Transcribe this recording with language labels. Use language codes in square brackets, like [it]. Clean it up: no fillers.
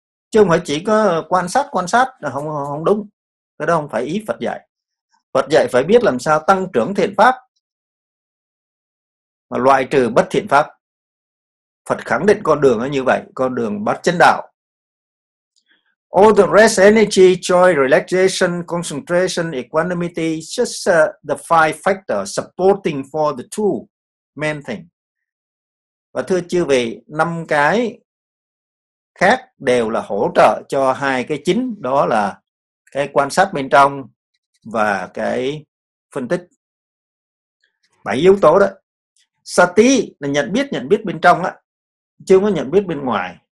[vi] Chứ không phải chỉ có quan sát là không đúng. Cái đó không phải ý Phật dạy. Phật dạy phải biết làm sao tăng trưởng thiện pháp mà loại trừ bất thiện pháp. Phật khẳng định con đường nó như vậy, con đường bát chánh đạo. [en] All the rest, energy, joy, relaxation, concentration, equanimity, just the five factors supporting for the two main things. [vi] Và thưa chư vị, năm cái khác đều là hỗ trợ cho hai cái chính, đó là cái quan sát bên trong và cái phân tích. Bảy yếu tố đó. Sati là nhận biết bên trong á, chứ không có nhận biết bên ngoài.